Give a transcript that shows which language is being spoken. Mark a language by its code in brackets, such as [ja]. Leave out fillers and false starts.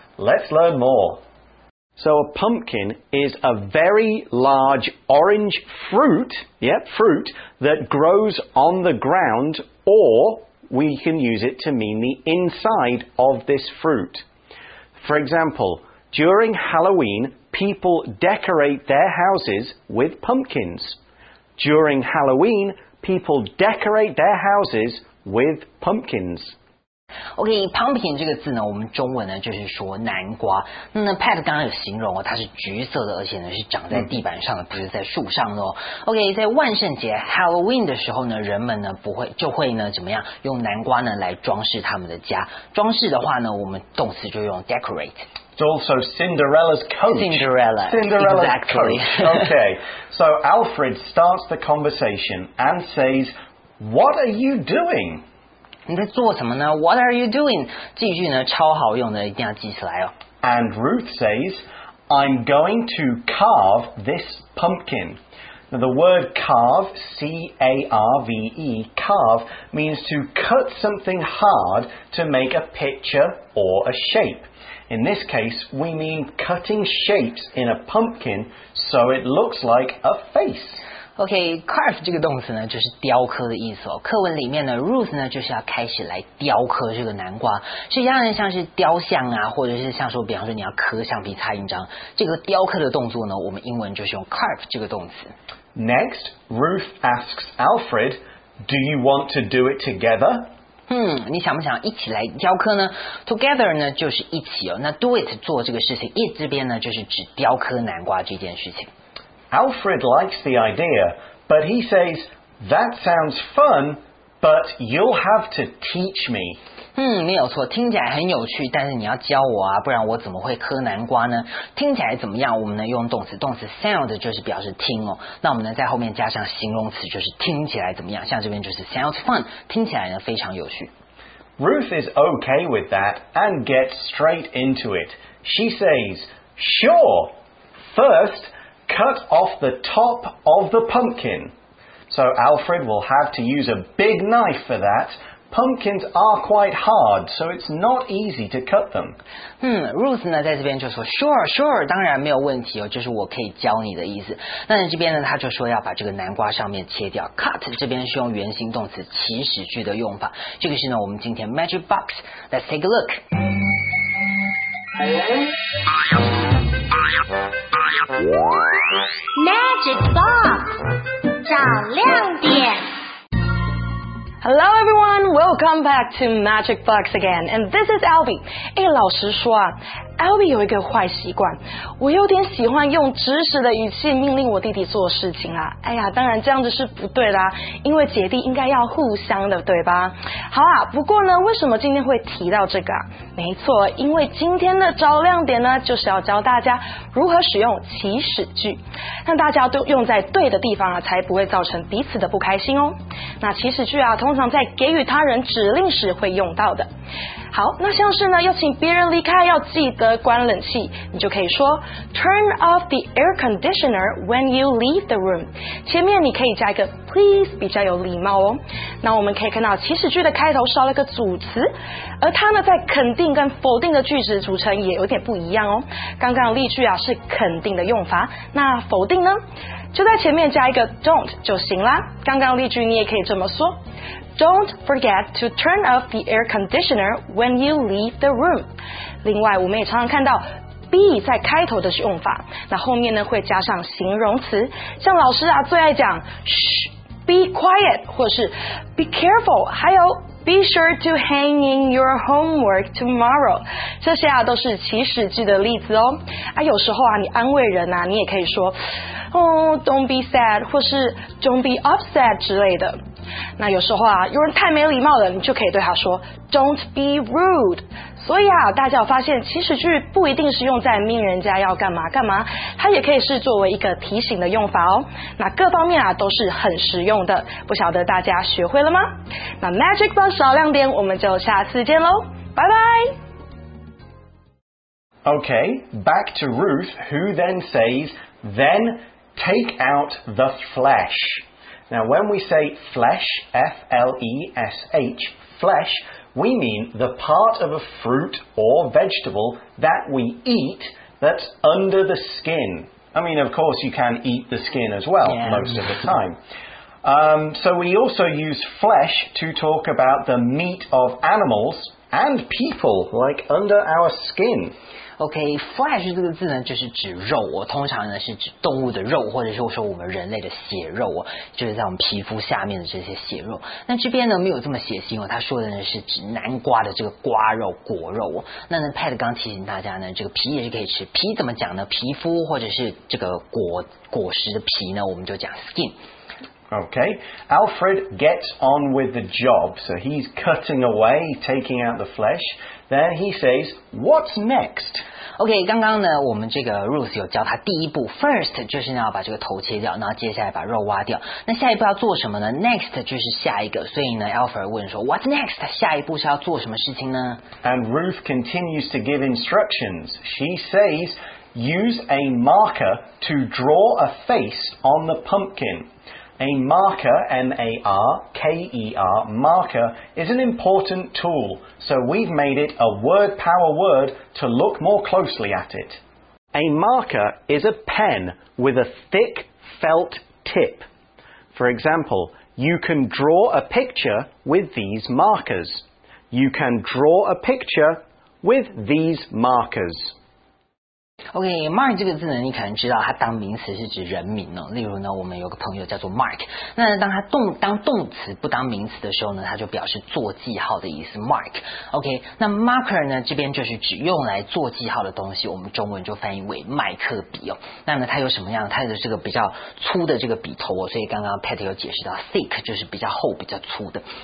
[en] Let's learn more. So a pumpkin is a very large orange fruit, fruit, that grows on the ground, or we can use it to mean the inside of this fruit. For example, during Halloween, people decorate their houses with pumpkins. During Halloween, people decorate their houses with pumpkins. [zh] OK, pumpkin 这个字呢，我们中文呢就是说南瓜。那 Pat 刚刚有形容哦，它是橘色的，而且呢是长在地板上的，不是在树上的哦。 OK, 在万圣节 Halloween 的时候呢，人们呢就会怎么样用南瓜呢来装饰他们的家。装饰的话呢，我们动词就用 decorate。 [en] Also Cinderella's coach. Cinderella's exactly. coach. Okay. So Alfred starts the conversation and says, "What are you doing?" [zh] 你在做什么呢 ？ [en] What are you doing? [zh] 这句呢超好用的，一定要记起来哦。 [en] And Ruth says, "I'm going to carve this pumpkin." Now the word carve, C-A-R-V-E, carve means to cut something hard to make a picture or a shape. In this case, we mean cutting shapes in a pumpkin so it looks like a face. [zh] Okay, carve 这个动词呢就是雕刻的意思哦。课文里面呢 ,Ruth 呢就是要开始来雕刻这个南瓜。实际上像是雕像啊或者是像说比方说你要刻橡皮擦印章。这个雕刻的动作呢我们英文就是用 carve 这个动词。 [en] Next, Ruth asks Alfred, "Do you want to do it together?" [zh] 你想不想一起来雕刻呢 ?Together 呢就是一起哦。那 do it 做这个事情 ,it 这边呢就是指雕刻南瓜这件事情。 [en] Alfred likes the idea, but he says, "That sounds fun, but you'll have to teach me." [zh] 没有错，听起来很有趣，但是你要教我啊，不然我怎么会磕南瓜呢？听起来怎么样？我们呢用动词，动词 sound 就是表示听哦。那我们呢在后面加上形容词，就是听起来怎么样？像这边就是 [en] sounds fun， [zh] 听起来呢非常有趣。 [en] Ruth is okay with that and gets straight into it. She says, "Sure, first. Cut off the top of the pumpkin." So Alfred will have to use a big knife for that. Pumpkins are quite hard, so it's not easy to cut them. [zh] Ruth 呢在这边就说 sure, sure, 当然没有问题哦，就是我可以教你的意思。那这边呢他就说要把这个南瓜上面切掉。Cut 这边是用原形动词祈使句的用法。这个是呢我们今天 Magic Box. [en] Let's take a look. [zh] Magic Box 找亮点 [en] Hello everyone, welcome back to Magic Box again. And this is Albi. [zh] 老实说啊Albi 有一个坏习惯，我有点喜欢用指使的语气命令我弟弟做事情啊。当然这样子是不对啦，因为姐弟应该要互相的，对吧？好啊，不过呢，为什么今天会提到这个啊？没错，因为今天的招亮点呢，就是要教大家如何使用祈使句，让大家都用在对的地方啊，才不会造成彼此的不开心哦。那祈使句啊，通常在给予他人指令时会用到的。好，那像是呢，要请别人离开，要记得关冷气，你就可以说 [en] Turn off the air conditioner when you leave the room. [zh] 前面你可以加一个 please， 比较有礼貌哦。那我们可以看到祈使句的开头少了个主词，而它呢在肯定跟否定的句子组成也有点不一样哦。刚刚例句啊是肯定的用法，那否定呢，就在前面加一个 don't 就行啦。刚刚例句你也可以这么说。 [en] Don't forget to turn off the air conditioner when you leave the room. [zh] 另外，我们也常常看到 be 在开头的用法，那后面呢会加上形容词，像老师啊最爱讲 [en] shh, be quiet, [zh] 或是 [en] be careful, [zh] 还有 [en] be sure to hang in your homework tomorrow. [zh] 这些啊都是祈使句的例子哦。啊，有时候啊你安慰人啊，你也可以说 [en] oh, don't be sad, [zh] 或是 [en] don't be upset [zh] 之类的。那有时候啊有人太没礼貌了，你就可以对他说 [en] Don't be rude。 [zh] 所以啊大家有发现祈使句不一定是用在命人家要干嘛干嘛，它也可以是作为一个提醒的用法哦。那各方面啊都是很实用的，不晓得大家学会了吗？那 Magic Box 小亮点我们就下次见咯，拜拜。 [en] OK, back to Ruth, who then says, "Then take out the flesh." Now when we say flesh, F-L-E-S-H, flesh, we mean the part of a fruit or vegetable that we eat that's under the skin. I mean, of course, you can eat the skin as well, yeah, most of the time. So we also use flesh to talk about the meat of animals and people, like under our skin. [zh] OK, flesh 这个字呢就是指肉，哦，通常呢是指动物的肉，或者是说我们人类的血肉，哦，就是在我们皮肤下面的这些血肉。那这边呢没有这么血腥，哦，他说的呢是指南瓜的这个瓜肉果肉，哦，那呢 Pat 刚提醒大家呢，这个皮也是可以吃，皮怎么讲呢？皮肤或者是这个 果实的皮呢，我们就讲 skin。 [en] Okay, Alfred gets on with the job. So he's cutting away, taking out the flesh. Then he says, what's next? [zh] Okay, 刚刚呢我们这个 Ruth 有教他第一步， first 就是要把这个头切掉，然后接下来把肉挖掉。那下一步要做什么呢？Next 就是下一个。所以呢 Alfred 问说 [en] what's next? [zh] 下一步是要做什么事情呢？ [en] And Ruth continues to give instructions. She says, use a marker to draw a face on the pumpkin. A marker, M-A-R-K-E-R, marker, is an important tool, so we've made it a word power word to look more closely at it. A marker is a pen with a thick felt tip. For example, you can draw a picture with these markers. You can draw a picture with these markers. [zh] OK, Mark 这个字呢你可能知道它当名词是指人名，哦，例如呢我们有个朋友叫做 Mark， 那当它当动词不当名词的时候呢，它就表示做记号的意思 Mark。 OK, 那 Marker 呢这边就是指用来做记号的东西，我们中文就翻译为麦克笔，哦，那呢它有什么样，它的这个比较粗的这个笔头，哦，所以刚刚 Pat 有解释到 thick 就是比较厚比较粗的。